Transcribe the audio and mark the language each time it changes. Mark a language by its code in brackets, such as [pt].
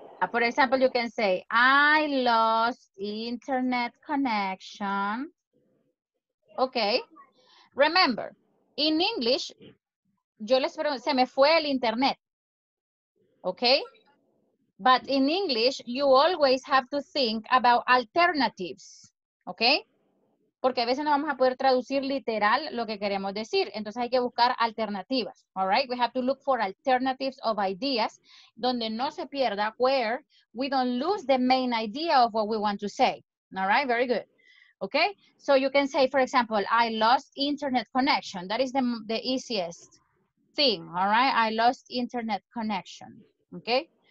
[en] For example, you can say, I lost internet connection. Okay. Remember, in English, [es] yo les pregunto, se me fue el internet. [en] Okay. But in English, you always have to think about alternatives. Okay. [es] Porque a veces no vamos a poder traducir literal lo que queremos decir. Entonces hay que buscar alternativas, [en] all right? We have to look for alternatives of ideas [es] donde no se pierda, [en] where we don't lose the main idea of what we want to say, all right? Very good, okay? So you can say, for example, I lost internet connection. That is the easiest thing, all right? I lost internet connection, okay?